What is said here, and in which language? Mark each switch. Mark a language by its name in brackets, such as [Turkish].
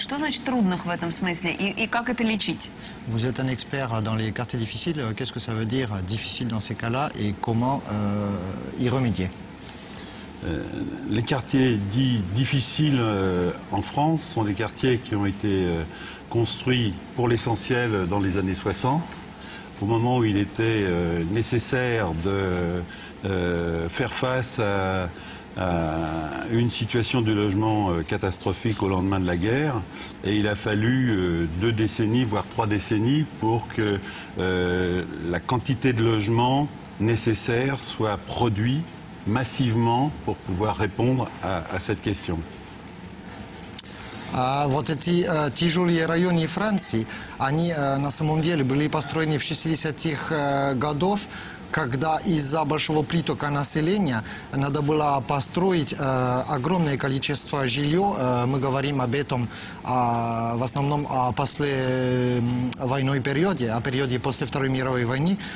[Russian] Что значит трудных в этом смысле и как это лечить? [French] Vous êtes un expert dans les quartiers difficiles. Qu'est-ce que ça veut dire difficile dans ces cas-là et comment y remédier? Les quartiers dits difficiles en France sont des quartiers qui ont été construits pour l'essentiel dans les années 60, au moment où il était nécessaire de faire face à une situation du logement catastrophique au lendemain de la guerre. Et il a fallu 2 décennies, voire 3 décennies, pour que la quantité de logements nécessaires soit produite massivement pour pouvoir répondre à cette question. [Russian] Вот эти тяжелые районы Франции, они на самом деле были построены в 60-х годах, когда из-за большого притока населения надо было построить огромное количество жилья. Мы говорим об этом в основном о послевойной периоде, о периоде после Второй мировой войны.